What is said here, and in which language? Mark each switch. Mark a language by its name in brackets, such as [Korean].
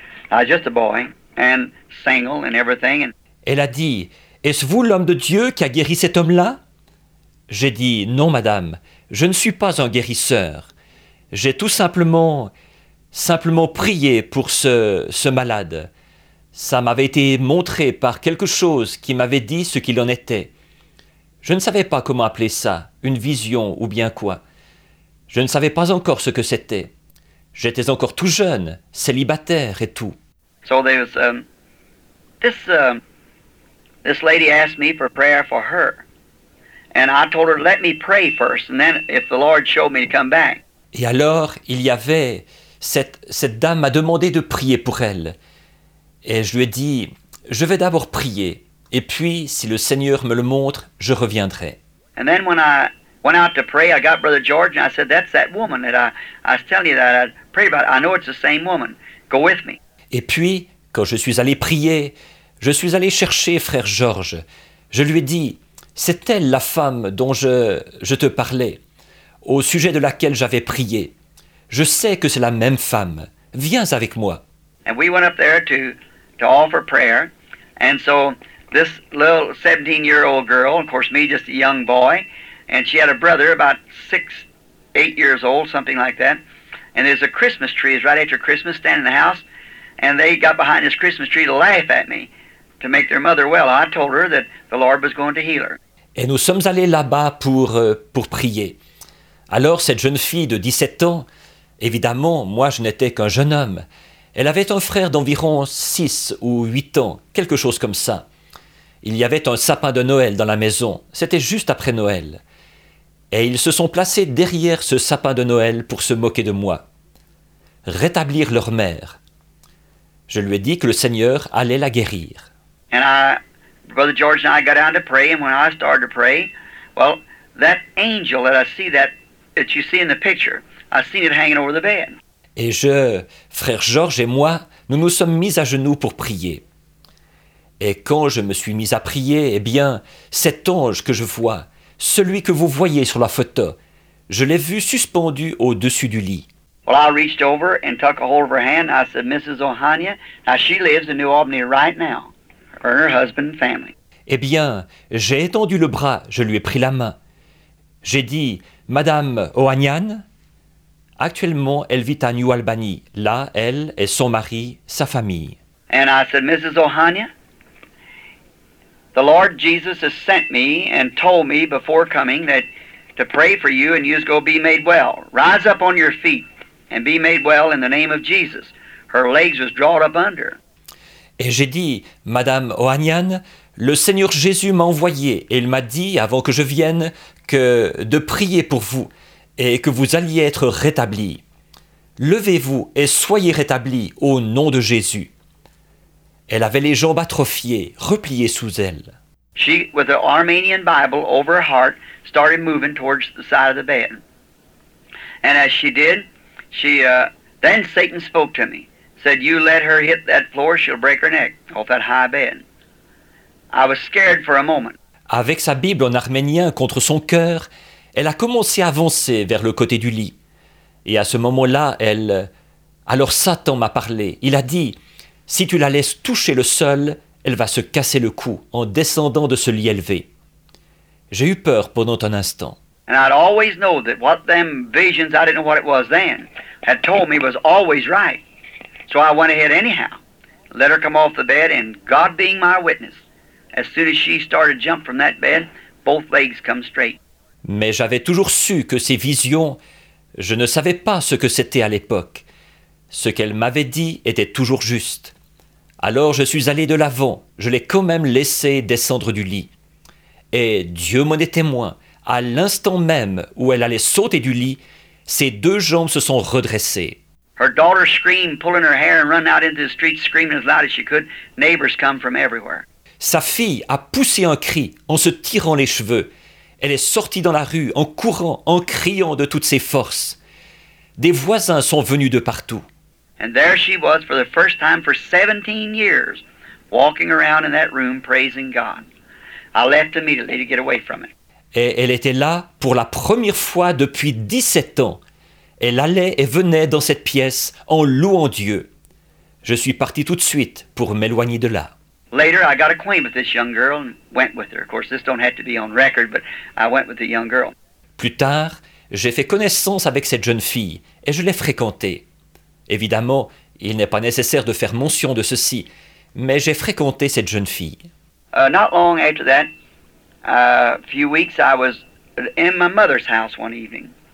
[English] I was just a boy, and single and everything, and... [French] Elle a dit, est-ce vous l'homme de Dieu qui a guéri cet homme-là? J'ai dit, non, madame, je ne suis pas un guérisseur. J'ai tout simplement prié pour ce malade. Ça m'avait été montré par quelque chose qui m'avait dit ce qu'il en était. Je ne savais pas comment appeler ça, une vision ou bien quoi. Je ne savais pas encore ce que c'était. J'étais encore tout jeune, célibataire et tout. [English] So there's this lady asked me for prayer for her. And I told her, let me pray first, and then if the Lord showed me to come back. [French] Et alors, il y avait, cette dame m'a demandé de prier pour elle. Et je lui ai dit, je vais d'abord prier, et puis, si le Seigneur me le montre, je reviendrai. [English] And then when I went out to pray, I got Brother George, and I said, that's that woman that I was telling you that I prayed about. I know it's the same woman. Go with me. [French] Et puis, quand je suis allé prier, je suis allé chercher frère Georges. Je lui ai dit, c'est elle la femme dont je te parlais, au sujet de laquelle j'avais prié. Je sais que c'est la même femme. Viens avec moi. [English] And we went up there to offer prayer. And so this little 17-year-old girl, of course me just a young boy, and she had a brother about 6-8 years old, something like that. And there's a Christmas tree, it's right after Christmas, standing in the house. And they got behind this Christmas tree to laugh at me. To make their mother well, I told her that the Lord was going to heal her. [French] Et nous sommes allés là-bas pour prier. Alors cette jeune fille de 17 ans, évidemment, moi je n'étais qu'un jeune homme. Elle avait un frère d'environ 6 ou 8 ans, quelque chose comme ça. Il y avait un sapin de Noël dans la maison, c'était juste après Noël. Et ils se sont placés derrière ce sapin de Noël pour se moquer de moi. Rétablir leur mère. Je lui ai dit que le Seigneur allait la guérir. [English] And I, Brother George and I got down to pray, and when I started to pray, well, that angel that I see, that you see in the picture, I seen it hanging over the bed. [French] Et je, frère George et moi, nous nous sommes mis à genoux pour prier. Et quand je me suis mis à prier, eh bien, cet ange que je vois, celui que vous voyez sur la photo, je l'ai vu suspendu au-dessus du lit. [English] Well, I reached over and took a hold of her hand, and I said, Mrs. Ohanian, now she lives in New Albany right now. Her husband and family. [French] Eh bien, j'ai étendu le bras, je lui ai pris la main. J'ai dit, Madame Ohanian, actuellement, elle vit à New Albany. Là, elle et son mari, sa famille. [English] And I said, Mrs. Ohanian, the Lord Jesus has sent me and told me before coming that to pray for you and you go be made well. Rise up on your feet and be made well in the name of Jesus. Her legs was drawn up under. [French] Et j'ai dit, Madame Ohanian, le Seigneur Jésus m'a envoyé et il m'a dit, avant que je vienne, que de prier pour vous et que vous alliez être rétablie. Levez-vous et soyez rétablie au nom de Jésus. Elle avait les jambes atrophiées, repliées sous elle. [English] She, with the Armenian Bible over her heart, started moving towards the side of the bed. And as she did, she then Satan spoke to me, said, "You let her hit that floor, she'll break her neck off that high bed." I was scared for a moment. [French] Avec sa Bible en arménien contre son cœur, elle a commencé à avancer vers le côté du lit. Et à ce moment-là, elle... Alors Satan m'a parlé. Il a dit, « Si tu la laisses toucher le sol, elle va se casser le cou en descendant de ce lit élevé. » J'ai eu peur pendant un instant. [English] And I'd always know that what them visions, I didn't know what it was then, had told me was always right. So I went ahead anyhow. Let her come off the bed, and God being my witness, as soon as she started jump from that bed, both legs come straight. [French] Mais j'avais toujours su que ces visions, je ne savais pas ce que c'était à l'époque. Ce qu'elle m'avait dit était toujours juste. Alors je suis allé de l'avant, je l'ai quand même laissé descendre du lit. Et Dieu m'en est témoin, à l'instant même où elle allait sauter du lit, ses deux jambes se sont redressées. [English] Her daughter screamed, pulling her hair and running out into the street screaming as loud as she could. Neighbors come from everywhere. [French] Sa fille a poussé un cri en se tirant les cheveux. Elle est sortie dans la rue en courant, en criant de toutes ses forces. Des voisins sont venus de partout. [English] And there she was for the first time for 17 years, walking around in that room praising God. I left immediately to get away from it. [French] Et elle était là pour la première fois depuis 17 ans. Elle allait et venait dans cette pièce en louant Dieu. Je suis parti tout de suite pour m'éloigner de là. [English] Later, I got acquainted with this young girl and went with her. Of course, this don't have to be on record, but I went with the young girl. [French] Plus tard, j'ai fait connaissance avec cette jeune fille et je l'ai fréquentée. Évidemment, il n'est pas nécessaire de faire mention de ceci, mais j'ai fréquenté cette jeune fille. [English] Not long after that, a few weeks, I was in my mother's house one evening.